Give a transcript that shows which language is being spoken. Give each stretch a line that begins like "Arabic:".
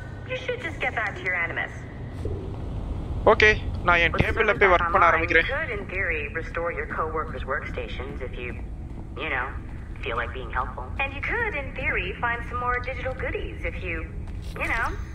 English: You should just get back to your Animus.
Tamil: Okay, நான் என் டேபிள்ல போய் வர்க் பண்ண ஆரம்பிக்கிறேன்.
English: You could in theory restore your coworkers' workstations if you, you know, feel like being helpful. And you could in theory find some more digital goodies if you, you know.